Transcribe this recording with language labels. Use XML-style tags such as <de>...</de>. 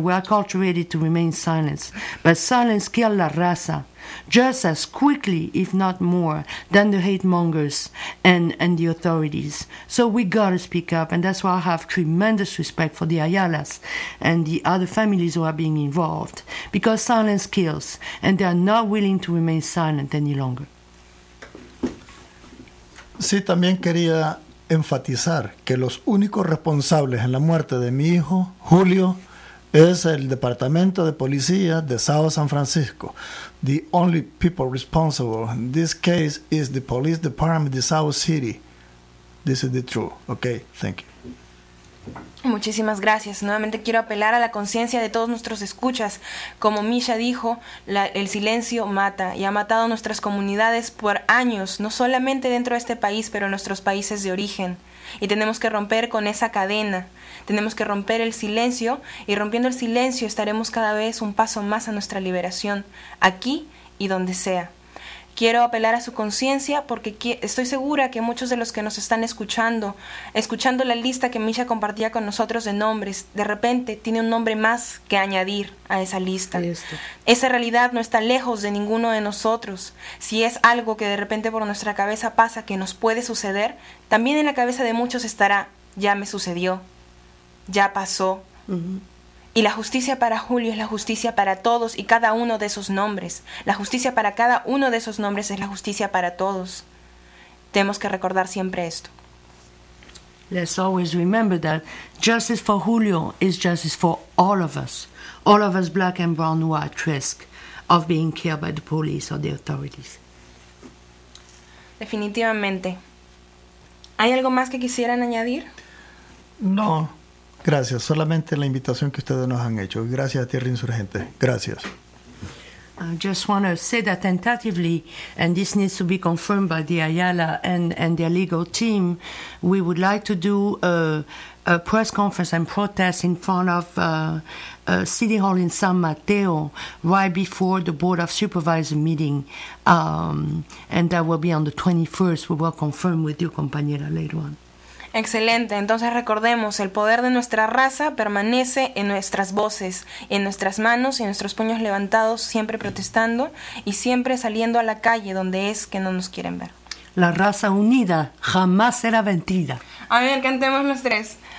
<en>We are cultivated to remain silent. But silence kills la raza, just as quickly, if not more, than the hate mongers and the authorities. So we gotta speak up, and that's why I have tremendous respect for the Ayalas and the other families who are being involved, because silence kills, and they are not willing to remain silent any longer.</en> <es>Sí, también quería enfatizar que los únicos responsables en la muerte de mi hijo, Julio, es el Departamento de Policía de South San Francisco.</es> <en>The only people responsible in this case is the police department of South City. This is the truth. Okay, thank you.</en> <es>Muchísimas gracias. Nuevamente quiero apelar a la conciencia de todos nuestros escuchas. Como Misha dijo, el silencio mata y ha matado a nuestras comunidades por años, no solamente dentro de este país, pero en nuestros países de origen. Y tenemos que romper con esa cadena. Tenemos que romper el silencio, y rompiendo el silencio estaremos cada vez un paso más a nuestra liberación, aquí y donde sea. Quiero apelar a su conciencia porque estoy segura que muchos de los que nos están escuchando la lista que Misha compartía con nosotros de nombres, de repente tiene un nombre más que añadir a esa lista. Esa realidad no está lejos de ninguno de nosotros. Si es algo que de repente por nuestra cabeza pasa que nos puede suceder, también en la cabeza de muchos estará, ya me sucedió, ya pasó. Uh-huh. Y la justicia para Julio es la justicia para todos y cada uno de esos nombres. La justicia para cada uno de esos nombres es la justicia para todos. Tenemos que recordar siempre esto.</es> <en>Let's always remember that justice for Julio is justice for all of us. All of us black and brown who are at risk of being killed by the police or the authorities.</en> <es>Definitivamente. ¿Hay algo más que quisieran añadir? No. Gracias. Solamente la invitación que ustedes nos han hecho. Gracias a Tierra Insurgente. Gracias.</es> <en>I just want to say that tentatively, and this needs to be confirmed by the Ayala and their legal team, we would like to do a press conference and protest in front of City Hall in San Mateo right before the Board of Supervisors meeting. And that will be on the 21st. We will confirm with you, compañera, later on.</en> <es>Excelente. Entonces recordemos, el poder de nuestra raza permanece en nuestras voces, en nuestras manos y en nuestros puños levantados, siempre protestando y siempre saliendo a la calle donde es que no nos quieren ver. La raza unida jamás será vencida. A ver, cantemos los tres.</es>